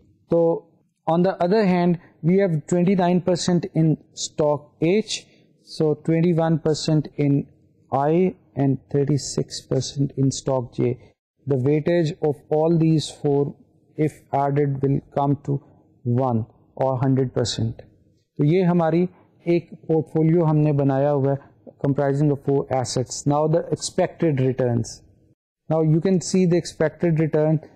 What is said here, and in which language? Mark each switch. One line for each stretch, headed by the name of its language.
English: تو on the other hand we have 29% in stock H. So 21% in I and 36% in stock J. The weightage of all these four if added will come to 100%.
Urdu: تو یہ ہماری ایک port folio ہم نے بنایا ہوا ہے
English: Comprising of four assets. Now the expected returns. Now you can see the expected return.